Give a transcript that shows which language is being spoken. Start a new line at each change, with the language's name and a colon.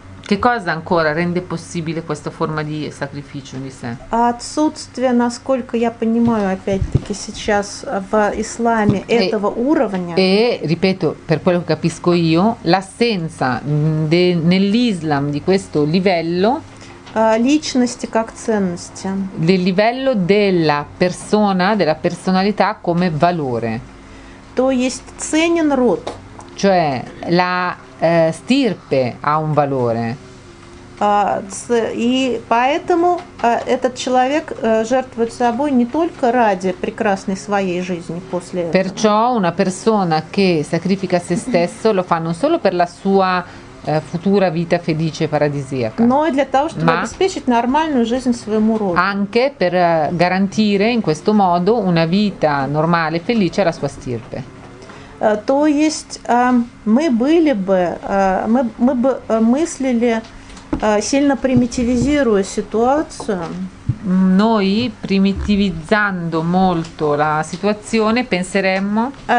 Italian: Che cosa ancora rende possibile questa forma di sacrificio di sé?
Russian: Отсутствие, насколько я понимаю, опять-таки сейчас в исламе этого уровня.
Italian: E ripeto, per quello che capisco io, l'assenza nell'Islam di questo livello.
Russian: Личности как ценности.
Italian: Del livello della persona, della personalità come valore.
Russian: То есть ценен род.
Italian: Cioè la stirpe ha un valore.
Russian: И поэтому этот человек жертвует собой не только ради прекрасной своей жизни после этого.
Italian: Perciò una persona che sacrifica se stesso lo fa non solo per la sua futura vita felice paradisiaca.
Russian: Но и для того, чтобы обеспечить нормальную жизнь своему роду.
Italian: Anche per garantire in questo modo una vita normale felice alla sua stirpe.
Russian: То есть мы бы мыслили сильно примитивизируя ситуацию.
Italian: Noi primitivizzando molto la situazione penseremmo.